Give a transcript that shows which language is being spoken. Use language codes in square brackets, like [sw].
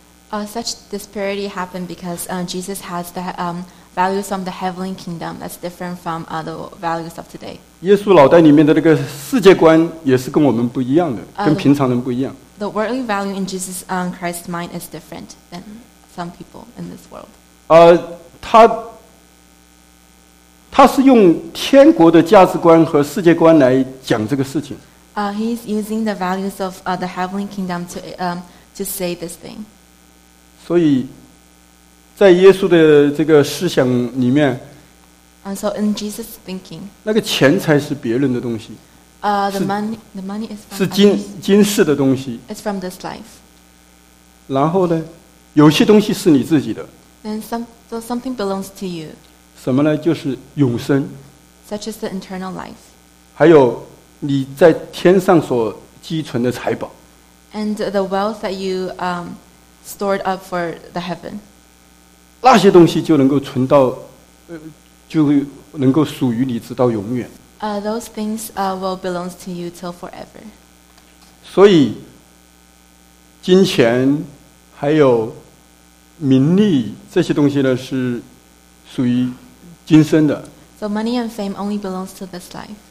[en] Such disparity happened because Jesus has the values from the heavenly kingdom that's different from the values of today. [zh] 耶稣脑袋里面的那个世界观也是跟我们不一样的，跟平常人不一样。 [en] The worldly value in Jesus Christ's mind is different than some people in this world. [zh] 他是用天国的价值观和世界观来讲这个事情。 [en] He's using the values of the heavenly kingdom to say this thing. [zh] 所以在耶稣的这个思想里面， [en] So in Jesus' thinking, [zh] 那个钱财是别人的东西。 [en] The money is from others. [zh] 是今世的东西。 [en] It's from this life. [zh] 然后呢，有些东西是你自己的。 [en] Then something belongs to you. [zh] 什么呢？就是永生。 [en] Such as the eternal life. [zh] 还有你在天上所积存的财宝。 [en] And the wealth that you stored up for the heaven. [zh] 那些东西就能够存到，就能够属于你直到永远。 [en] Those things will belong to you till forever. [zh] 所以金钱还有名利这些东西呢，是属于今生的。 [en] So money and fame only belongs to this life.